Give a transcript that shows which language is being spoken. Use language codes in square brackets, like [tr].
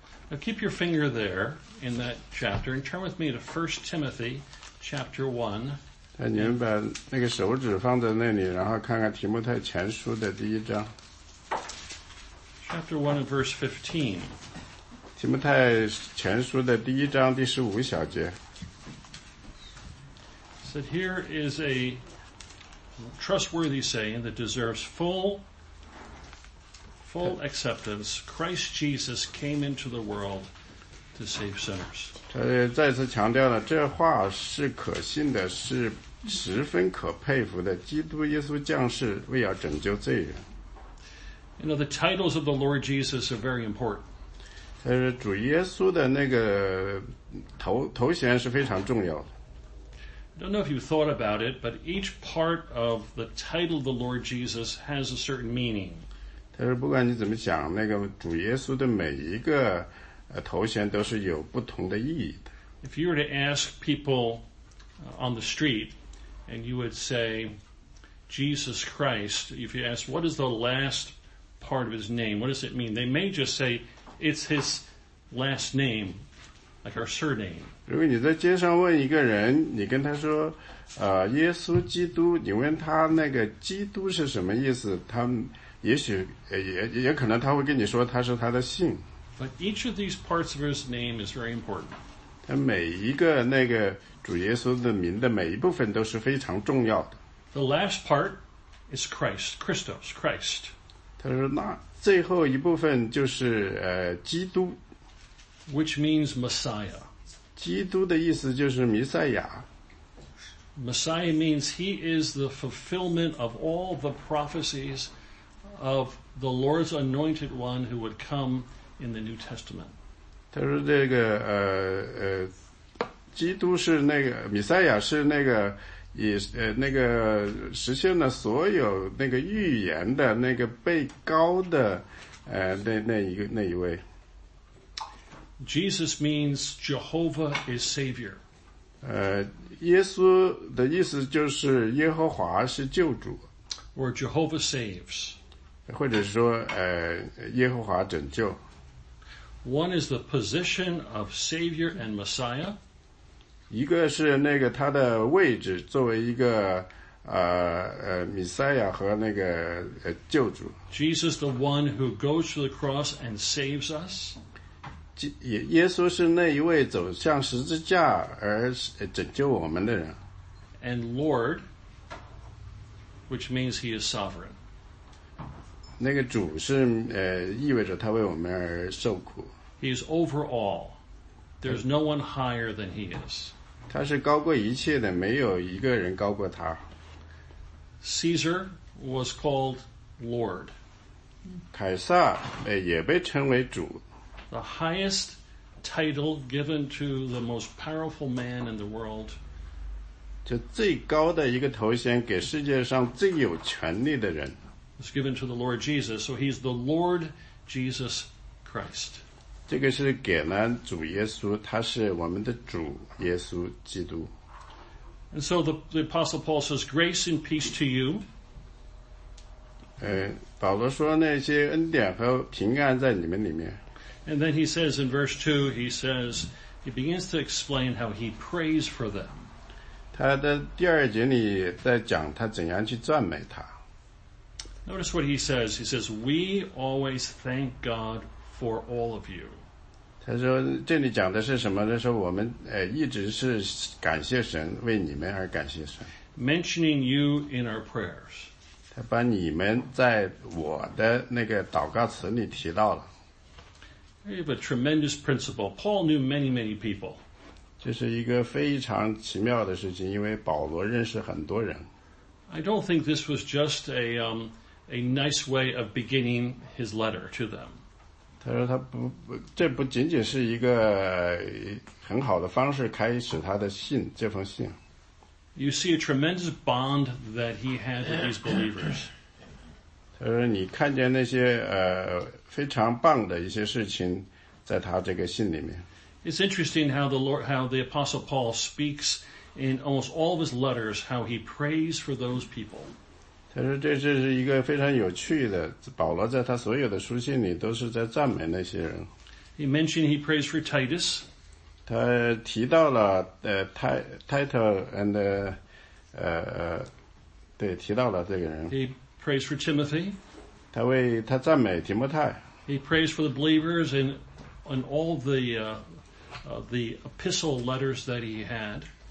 [en] Now keep your finger there in that chapter and turn with me to 1 Timothy chapter 1. [zh] 你们把那个手指放在那里然后看看提摩太前书的第一章 [en] Chapter 1 and verse 15 [zh] 提摩太前书的第一章第十五小节 [en] said here is a trustworthy saying that deserves full acceptance Christ Jesus came into the world to save sinners [zh] 他再次强调了这话是可信的是十分可佩服的基督耶稣降世为要拯救罪人 [en] You know, the titles of the Lord Jesus are very important. [zh] 他说主耶稣的那个 头衔是非常重要的 [en] I don't know if you thought about it, but each part of the title of the Lord Jesus has a certain meaning. [zh] 他说不管你怎么想那个主耶稣的每一个头衔都是有不同的意义的 [en] If you were to ask people on the street,And you would say, Jesus Christ, if you ask, what is the last part of his name? What does it mean? They may just say, it's his last name, like our surname. [zh] 如果你在街上问一个人，你跟他说，耶稣基督，你问他那个基督是什么意思，他也许，也可能他会跟你说他是他的姓。 [en] But each of these parts of his name is very important. [zh] 他每一个那个主耶稣的名的每一部分都是非常重要的。 [en] The last part is Christ, Christos, Christ. [zh] 他说那最后一部分就是基督。 [en] Which means Messiah. [zh] 基督的意思就是弥赛亚。 [en] Messiah means he is the fulfillment of all the prophecies of the Lord's anointed one who would come in the New Testament. [zh] 他说这个基督是那个弥赛亚是那个以那个实现了所有那个预言的那个被膏的那一位。 [en] Jesus means Jehovah is Savior. [zh] 耶稣的意思就是耶和华是救主。 [en] Or Jehovah saves. [zh] 或者说耶和华拯救。 [en] One is the position of Savior and Messiah. [zh] 一个是那个他的位置作为一个弥赛亚和那个救主。 [en] Jesus the one who goes to the cross and saves us. [zh] 耶稣是那一位走向十字架而拯救我们的人。 [en] And Lord, which means he is sovereign. [zh] 那个主是意味着他为我们而受苦。 [en] He is over all. There's no one higher than he is. [zh] 他是高过一切的，没有一个人高过他。 [en] Caesar was called Lord. [zh] 凯撒也被称为主。 [en] The highest title given to the most powerful man in the world. [zh] 就最高的一个头衔给世界上最有权力的人。 [en] It's given to the Lord Jesus, so he's the Lord Jesus Christ. [zh] 这个是给了主耶稣，他是我们的主耶稣基督。 [en] And so the Apostle Paul says, "Grace and peace to you." [zh] 保罗说那些恩典和平安在你们里面。 [en] And then he says in verse 2, he says he begins to explain how he prays for them. [zh] 他的第二节里在讲他怎样去赞美他。 [en] Notice what he says. He says, "We always thank God." For all of you. [zh] 他说这里讲的是什么呢？说我们一直是感谢神，为你们而感谢神。 [en] Mentioning you in our prayers. [zh] 他把你们在我的那个祷告词里提到了。 [en] We have a tremendous principle. Paul knew many, many people. [zh] 这是一个非常奇妙的事情，因为保罗认识很多人。 [en] I don't think this was just a nice way of beginning his letter to them. [zh] 他说他不这不仅仅是一个很好的方式开始他的信这封信。 [en] You see a tremendous bond that he had with these believers. [zh] 他说你看见那些非常棒的一些事情在他这个信里面。 [en] It's interesting how the Apostle Paul speaks in almost all of his letters how he prays for those people. [zh] 他说这是一个非常有趣的保罗在他所有的书信里都是在赞美那些人。 [en] He mentioned he prays for Titus. [zh] 他提到了对提到了这个人。 [en] He prays for Timothy. [zh] 他为他赞美提摩太。 [en] He prays for the believers in all the epistle letters that he had.